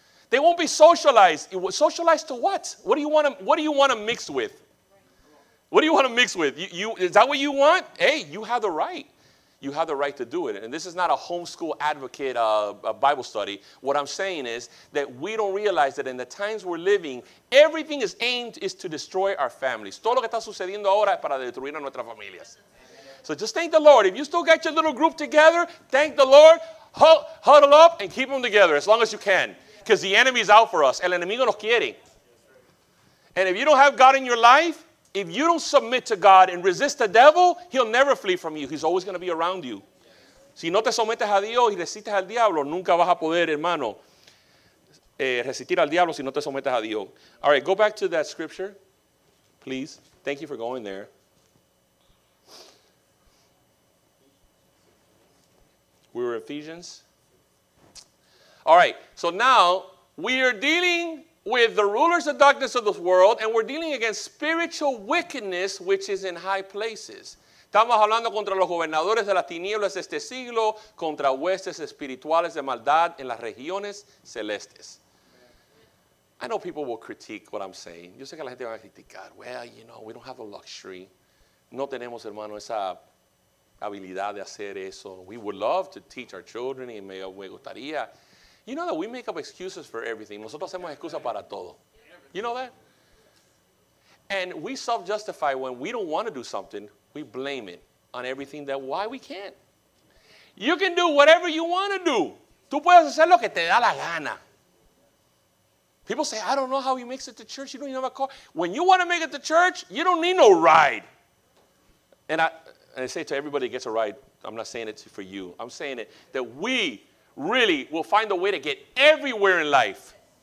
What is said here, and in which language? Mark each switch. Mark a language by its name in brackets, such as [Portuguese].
[English] They won't be socialized. Socialized to what? What do you want to mix with? What do you want to mix with? Is that what you want? Hey, you have the right. You have the right to do it. And this is not a homeschool advocate a Bible study. What I'm saying is that we don't realize that in the times we're living, everything is aimed is to destroy our families. [Spanish] Todo lo que está sucediendo ahora es para destruir a nuestras familias. [English] So just thank the Lord. If you still got your little group together, thank the Lord. Huddle up and keep them together as long as you can. Because the enemy is out for us. [Spanish] El enemigo nos quiere. [English] And if you don't have God in your life, if you don't submit to God and resist the devil, he'll never flee from you. He's always going to be around you. [Spanish] Si no te sometes a Dios y resistes al diablo, nunca vas a poder, hermano, resistir al diablo si no te sometes a Dios. [English] All right, go back to that scripture, please. Thank you for going there. We were Ephesians. All right, so now we are dealing with the rulers of darkness of this world, and we're dealing against spiritual wickedness, which is in high places. [Spanish] Estamos hablando contra los gobernadores de las tinieblas de este siglo, contra huestes espirituales de maldad en las regiones celestes. [English] I know people will critique what I'm saying. [Spanish] Yo sé que la gente va a criticar. [English] Well, you know, we don't have the luxury. [Spanish] No tenemos, hermano, esa habilidad de hacer eso. [English] We would love to teach our children, [Spanish] y me gustaría. [English] You know that we make up excuses for everything. [Spanish] Nosotros hacemos excusas para todo. [English] You know that? And we self-justify when we don't want to do something. We blame it on everything that why we can't. You can do whatever you want to do. [Spanish] Tú puedes hacer lo que te da la gana. [English] People say, I don't know how he makes it to church. You don't even have a car. When you want to make it to church, you don't need no ride. And I say to everybody that gets a ride, I'm not saying it for you. I'm saying it that we really, we'll find a way to get everywhere in life.